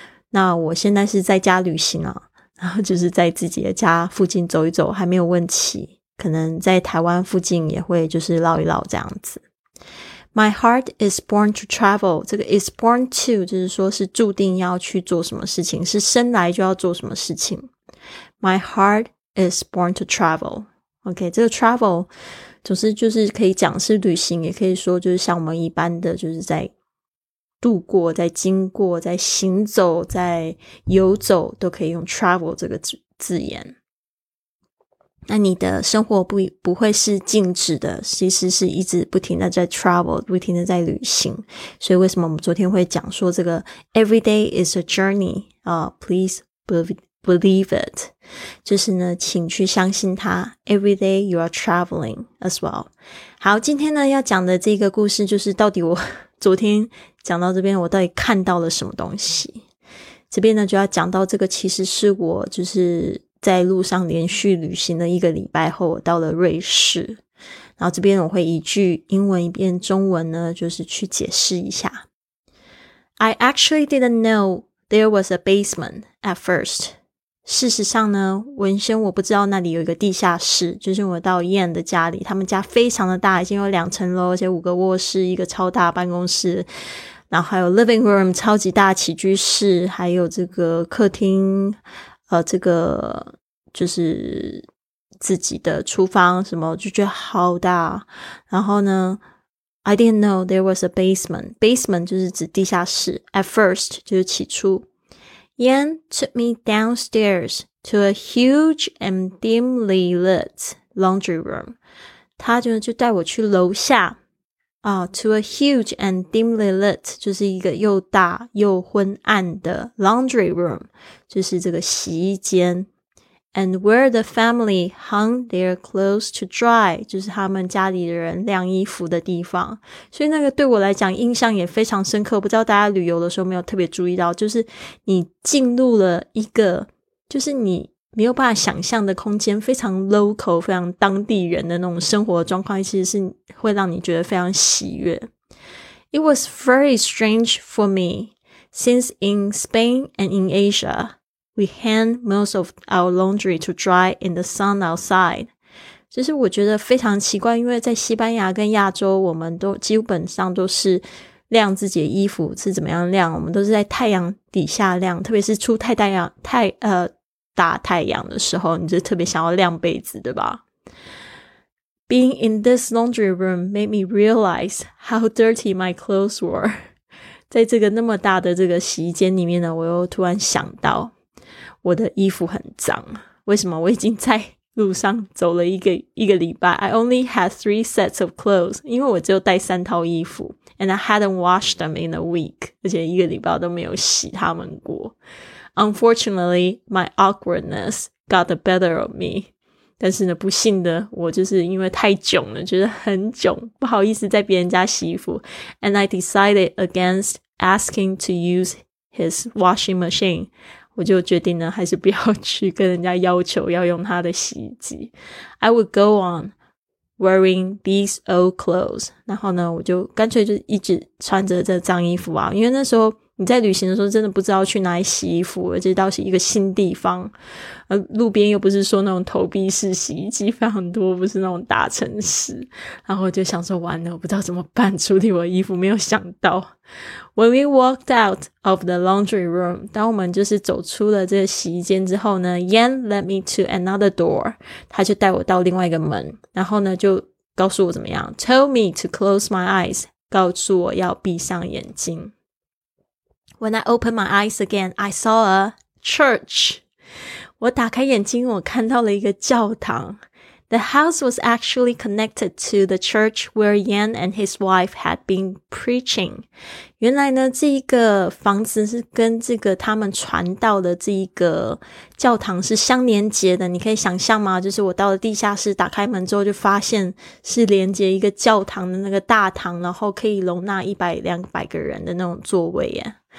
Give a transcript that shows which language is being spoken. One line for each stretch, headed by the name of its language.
Chinese: 那我现在是在家旅行啊，然后就是在自己的家附近走一走，还没有问题，可能在台湾附近也会就是绕一绕这样子。
English: My heart is born to travel，
Chinese: 这个
English: is born to
Chinese: 就是说是注定要去做什么事情，是生来就要做什么事情。
English: My heart is born to travel。
Chinese: OK， 这个 travel 总是就是可以讲是旅行，也可以说就是像我们一般的就是在度过，在经过，在行走，在游走，都可以用 travel 这个字眼。那你的生活不会是静止的，其实是一直不停的在 travel， 不停的在旅行。所以为什么我们昨天会讲说这个
English: every day is a journey， please believe it，
Chinese: 就是呢请去相信它，
English: every day you are traveling as well。
Chinese: 好，今天呢要讲的这个故事，就是到底我昨天讲到这边我到底看到了什么东西。这边呢就要讲到这个，其实是我就是在路上连续旅行了一个礼拜后，我到了瑞士。然后这边我会一句英文一遍中文呢，就是去解释一下。
English: I actually didn't know there was a basement at first.
Chinese: 事实上呢，文轩我不知道那里有一个地下室，就是我到燕的家里，他们家非常的大，已经有两层楼，而且五个卧室，一个超大办公室，然后还有 living room 超级大起居室，还有这个客厅，这个就是自己的厨房什么，就觉得好大。然后呢
English: I didn't know there was a basement.
Chinese: Basement 就是指地下室。
English: At first
Chinese: 就是起初。
English: Yan took me downstairs to a huge and dimly lit laundry room.
Chinese: 他就带我去楼下
English: to a huge and dimly lit,
Chinese: 就是一个又大又昏暗的 laundry room, 就是这个洗衣间。
English: And where the family hung their clothes to dry,
Chinese: 就是他们家里的人晾衣服的地方。所以那个对我来讲印象也非常深刻，不知道大家旅游的时候没有特别注意到，就是你进入了一个，就是你没有办法想象的空间，非常 local, 非常当地人的那种生活状况，其实是会让你觉得非常喜悦。
English: It was very strange for me, since in Spain and in Asia, we hang most of our laundry to dry in the sun outside.
Chinese: 就是我觉得非常奇怪，因为在西班牙跟亚洲，我们都基本上都是晾自己的衣服，是怎么样晾，我们都是在太阳底下晾，特别是出太大阳太大太阳的时候，你就特别想要晾被子，对吧？
English: Being in this laundry room made me realize how dirty my clothes were.
Chinese: 在这个那么大的这个洗衣间里面呢，我又突然想到我的衣服很脏。为什么？我已经在路上走了一个礼拜。
English: I only had 3 sets of clothes,
Chinese: 因为我只有带三套衣服。
English: And I hadn't washed them in a week,
Chinese: 而且一个礼拜都没有洗它们过。
English: Unfortunately, my awkwardness got the better of me.
Chinese: 但是呢，不幸的，我就是因为太窘了，觉得很窘，不好意思在别人家洗衣服。
English: And I decided against asking to use his washing machine.
Chinese: 我就决定呢，还是不要去跟人家要求要用他的洗衣机。
English: I would go on wearing these old clothes.
Chinese: 然后呢，我就干脆就一直穿着这脏衣服啊，因为那时候你在旅行的时候真的不知道去哪里洗衣服，而且到一个新地方，路边又不是说那种投币式洗衣机非常多，不是那种大城市，然后我就想说完了，我不知道怎么办处理我的衣服。没有想到
English: When we walked out of the laundry room,
Chinese: 当我们就是走出了这个洗衣间之后呢，
English: Yan led me to another door,
Chinese: 他就带我到另外一个门，然后呢就告诉我怎么样，
English: told me to close my eyes,
Chinese: 告诉我要闭上眼睛。
English: When I opened my eyes again, I saw a church.
Chinese: 我打开眼睛，我看到了一个教堂。
English: The house was actually connected to the church where Yan and his wife had been preaching.
Chinese: 原来呢，这一个房子是跟这个他们传道的这一个教堂是相连接的。你可以想象吗？就是我到了地下室，打开门之后就发现是连接一个教堂的那个大堂，然后可以容纳100-200个人的那种座位耶。